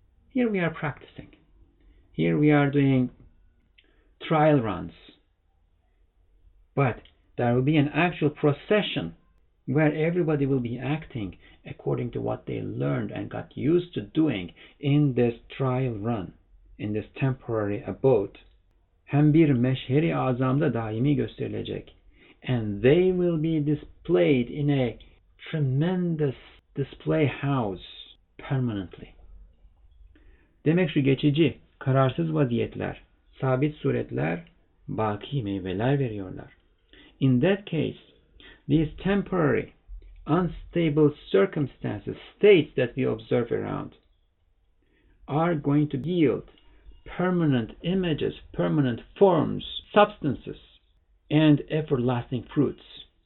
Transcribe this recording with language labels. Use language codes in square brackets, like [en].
[en] Here we are practicing. Here we are doing trial runs. But There will be an actual procession where everybody will be acting according to what they learned and got used to doing in this trial run, in this temporary abode. [tr] Hem bir meşheri azamda daimi gösterilecek. [en] And they will be displayed in a tremendous display house permanently. [tr] Demek şu geçici, kararsız vaziyetler, sabit suretler, baki meyveler veriyorlar. [en] In that case, these temporary, unstable circumstances, states that we observe around, are going to yield permanent images, permanent forms, substances, and everlasting fruits.